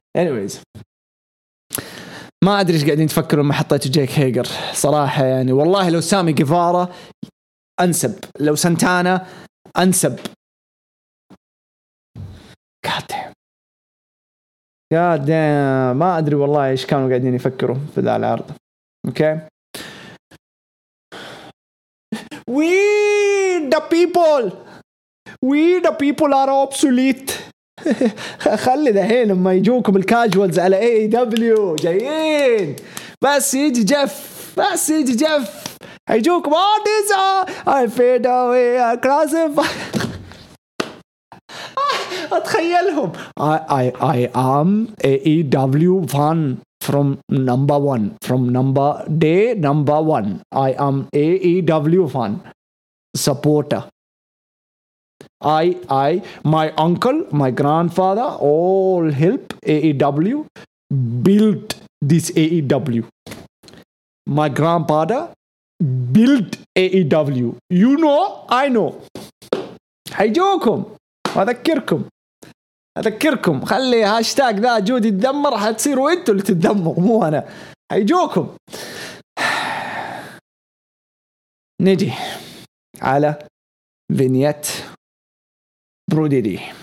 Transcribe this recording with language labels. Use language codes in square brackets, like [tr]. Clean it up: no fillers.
[en] anyways [ar] ما أدري إيش قاعدين تفكروا لما حطيتوا جيك هيجر صراحة. يعني والله لو سامي جيفارا أنسب, لو سانتانا أنسب. [en] God damn [ar] ما أدري والله إيش كانوا قاعدين يفكروا في ذا العرض. [en] okay We the people are obsolete. [ar] خلي دحين لما يجوكم الكاجوالز على AEW جايين, بس يجي جيف, بس يجي جيف هيجوكم. [en] Oh, this I fade away across the fire. [ar] اتخيلهم. [en] I am AEW fan from number one, from number day number one. I am AEW fan supporter. I my uncle, my grandfather all help AEW build this AEW. My grandfather built AEW. You know, I know. [ar] حيجوكم واذكركم, اذكركم خلي هاشتاق ذا جودي تدمر, حتصيروا انتوا اللي تدمروا مو انا. حيجوكم. نجي على فينيت بروديدي.